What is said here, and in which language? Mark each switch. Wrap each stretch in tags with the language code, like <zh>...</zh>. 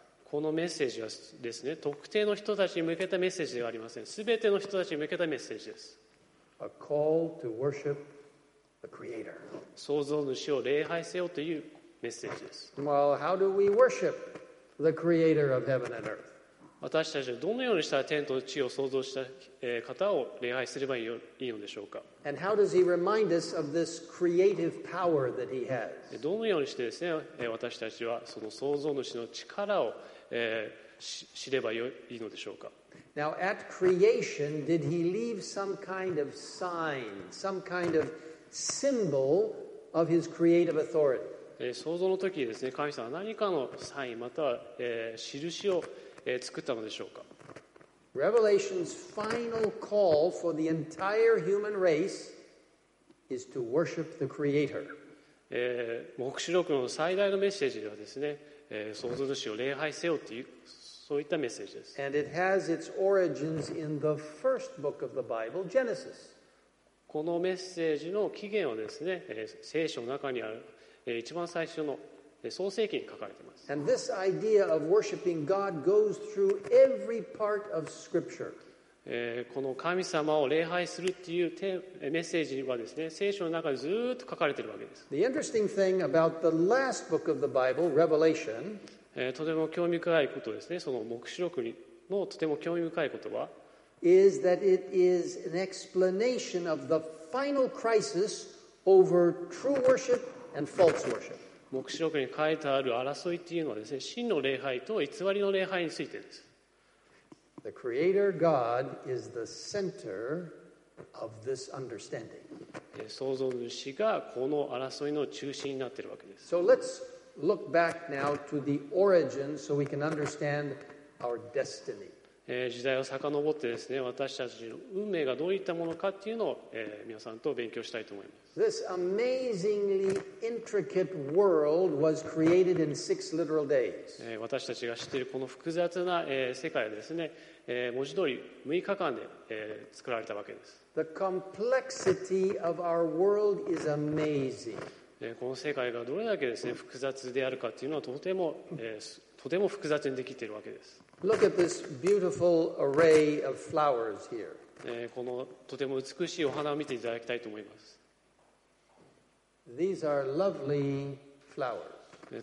<ja>このメッセージはですね、特定の人たちに向けたメッセージではありません。すべての人たちに向けたメッセージです。</ja> <en>A call to worship the Creator.</en> <ja>創造主を礼拝せよというメッセージです。</ja> <en>Well, how do we worship? The creator of heaven and earth.</en> <ja>私たちはどのようにしたら天と地を創造した方を礼拝すればいいのでしょうか。</ja> <en>And how does he remind us of this creative power that he has?</en> <ja>どのようにしてですね、私たちはその創造主の力を、知ればいいのでしょうか。</ja> <en>Now at creation, did he leave some kind of sign, some kind of symbol of his creative authority?</en> <ja>創造の時ですね、神様は何かのサインまたは、印を、作ったのでしょうか。</ja> <en>Revelation's final call for the entire human race is to worship the Creator.</en> <ja>黙示録の最大のメッセージではですね、創造主を礼拝せよというそういったメッセージです。</ja> <en>And it has its origins in the first book of the Bible, Genesis.</en> <ja>このメッセージの起源はですね、聖書の中にある一番最初の創世記に書かれています。</ja> <en>And this idea of worshiping God goes through every part of Scripture.</en> <ja>この神様を礼拝するっていうメッセージはですね、聖書の中でずっと書かれているわけです。</ja> <en>The interesting thing about the last book of the Bible, Revelation,</en> <ja>とても興味深いことですね、その黙示録のとても興味深いことは、</ja> <en>is that it is an explanation of the final crisis over true worship. And false worship.</en> <ja>黙示録に書いてある争いっていうのはですね、真の礼拝と偽りの礼拝についてです。</ja> <en>The Creator God is the center of this understanding.</en> <ja>創造主がこの争いの中心になっているわけです。</ja> <en>So let's look back now to the origin so we can understand our destiny.</en> <ja>時代を遡ってですね、私たちの運命がどういったものかっていうのを、皆さんと勉強したいと思います。</ja> <en>This amazingly intricate world was created in six literal days.</en> <ja>私たちが知っているこの複雑な世界はですね、文字通り6日間で作られたわけです。</ja> <en>The complexity of our world is amazing.</en> <ja>この世界がどれだけですね、複雑であるかというのはとても複雑にできているわけです。</ja> <en>Look at this beautiful array of flowers here.</en> <ja>このとても美しいお花を見ていただきたいと思います。</ja> <en>These are lovely flowers.</en>